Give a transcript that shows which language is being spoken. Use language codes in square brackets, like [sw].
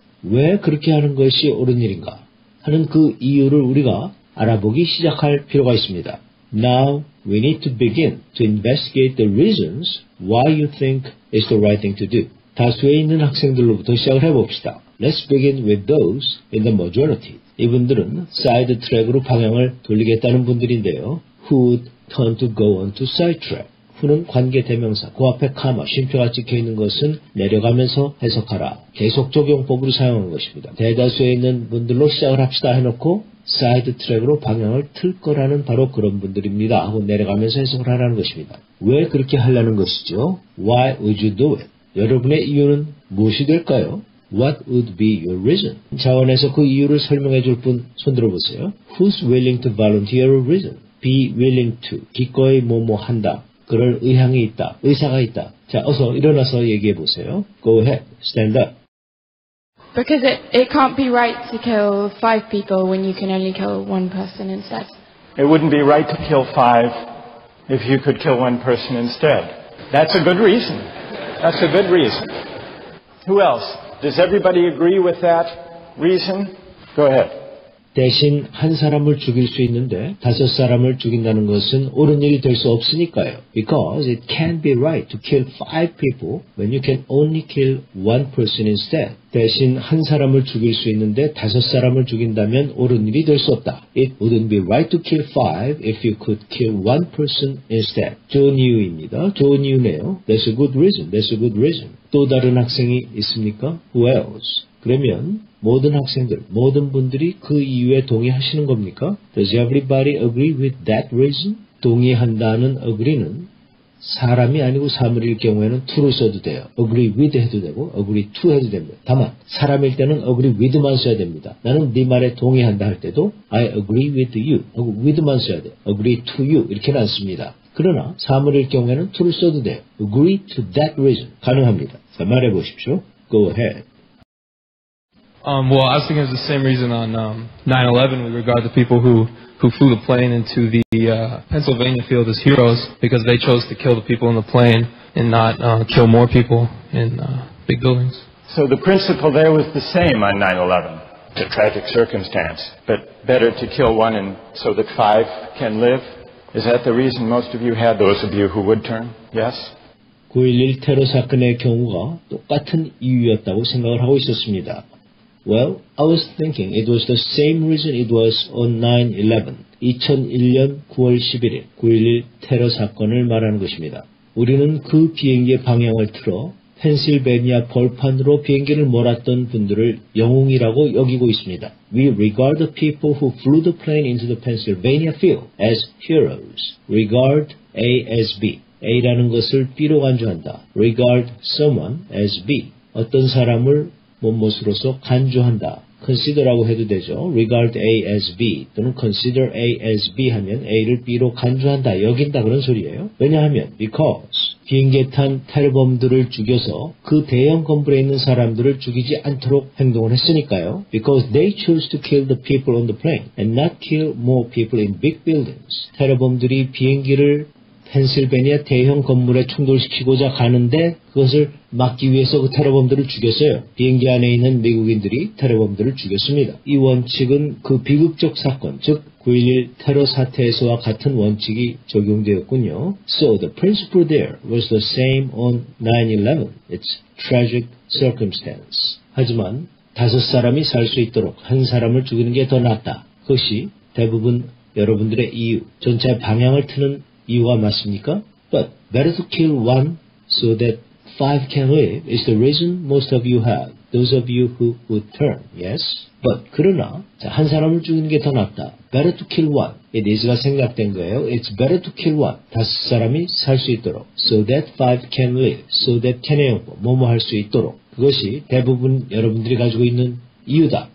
[ko] 왜 그렇게 하는 것이 옳은 일인가? 하는 그 이유를 우리가 알아보기 시작할 필요가 있습니다. [en] Now we need to begin to investigate the reasons why you think it's the right thing to do. [ko] 다수에 있는 학생들로부터 시작을 해봅시다. [en] Let's begin with those in the majority. [ko] 이분들은 side track으로 방향을 돌리겠다는 분들인데요. [en] Who would turn to go on to side track? [ko] Who는 관계 대명사, 그 앞에 comma, 쉼표가 찍혀 있는 것은 내려가면서 해석하라. 계속 적용법으로 사용한 것입니다. 대다수에 있는 분들로 시작을 합시다 해놓고 사이드 트랙으로 방향을 틀 거라는 바로 그런 분들입니다 하고 내려가면서 해석을 하라는 것입니다. 왜 그렇게 하려는 것이죠? [en] Why would you do it? [ko] 여러분의 이유는 무엇이 될까요? [en] What would be your reason? [ko] 자원에서 그 이유를 설명해 줄 분 손들어 보세요. [en] Who's willing to volunteer a reason? Be willing to. [ko] 기꺼이 뭐뭐 한다. 그럴 의향이 있다. 의사가 있다. 자, 어서 일어나서 얘기해 보세요. [en] Go ahead. Stand up. Because it can't be right to kill five people when you can only kill one person instead. It wouldn't be right to kill five if you could kill one person instead. That's a good reason. That's a good reason. Who else? Does everybody agree with that reason? Go ahead. [ko] 대신 한 사람을 죽일 수 있는데 다섯 사람을 죽인다는 것은 옳은 일이 될 수 없으니까요. [en] Because it can't be right to kill five people when you can only kill one person instead. [ko] 대신 한 사람을 죽일 수 있는데 다섯 사람을 죽인다면 옳은 일이 될 수 없다. [en] It wouldn't be right to kill five if you could kill one person instead. [ko] 좋은 이유입니다. 좋은 이유네요. [en] That's a good reason. That's a good reason. [ko] 또 다른 학생이 있습니까? [en] Who else? [ko] 그러면 모든 학생들, 모든 분들이 그 이유에 동의하시는 겁니까? [en] Does everybody agree with that reason? [ko] 동의한다는 agree는 사람이 아니고 사물일 경우에는 to를 써도 돼요. agree with 해도 되고 agree to 해도 됩니다. 다만 사람일 때는 agree with만 써야 됩니다. 나는 네 말에 동의한다 할 때도 [en] I agree with you [ko] 하고 with만 써야 돼요. [en] agree to you [ko] 이렇게는 안 씁니다. 그러나 사물일 경우에는 to를 써도 돼요. [en] agree to that reason [ko] 가능합니다. 자, 말해 보십시오. [en] Go ahead. Well, I was thinking it was the same reason on 9/11 with regard to people who flew the plane into the Pennsylvania field as heroes because they chose to kill the people in the plane and not kill more people in big buildings. So the principle there was the same on 9/11, the tragic circumstance, but better to kill one and so that five can live. Is that the reason most of you had, those of you who would turn? Yes? [ko] 9/11 테러 사건의 경우가 똑같은 이유였다고 생각을 하고 있었습니다. [en] Well, I was thinking it was the same reason it was on 9/11. [ko] 2001년 9월 11일 9.11 테러 사건을 말하는 것입니다. 우리는 그 비행기의 방향을 틀어 펜실베니아 벌판으로 비행기를 몰았던 분들을 영웅이라고 여기고 있습니다. [en] We regard the people who flew the plane into the Pennsylvania field as heroes. Regard A as B. [ko] A라는 것을 B로 간주한다. [en] Regard someone as B. [ko] 어떤 사람을 못못으로서 간주한다. Consider라고 해도 되죠. [en] Regard A as B [ko] 또는 [en] consider A as B [ko] 하면 A를 B로 간주한다, 여긴다 그런 소리예요. 왜냐하면 because 비행기에 탄 테러범들을 죽여서 그 대형 건물에 있는 사람들을 죽이지 않도록 행동을 했으니까요. [en] Because they chose to kill the people on the plane and not kill more people in big buildings. [ko] 테러범들이 비행기를 펜실베니아 대형 건물에 충돌시키고자 가는데 그것을 막기 위해서 그 테러범들을 죽였어요. 비행기 안에 있는 미국인들이 테러범들을 죽였습니다. 이 원칙은 그 비극적 사건, 즉 9.11 테러 사태에서와 같은 원칙이 적용되었군요. [en] So the principle there was the same on 9/11. It's tragic circumstance. [ko] 하지만 다섯 사람이 살 수 있도록 한 사람을 죽이는 게 더 낫다. 그것이 대부분 여러분들의 이유, 전체 방향을 트는 이유가 맞습니까? [en] But better to kill one so that five can live is the reason most of you have. Those of you who would turn, yes? [ko] But 그러나 자, 한 사람을 죽이는 게 더 낫다. [en] Better to kill one. It is가 [ko] 생각된 거예요. [en] It's better to kill one. [ko] 다섯 사람이 살 수 있도록. [en] So that five can live. So that can의 용법. [ko] 뭐뭐 할 수 있도록. 그것이 대부분 여러분들이 가지고 있는 이유다.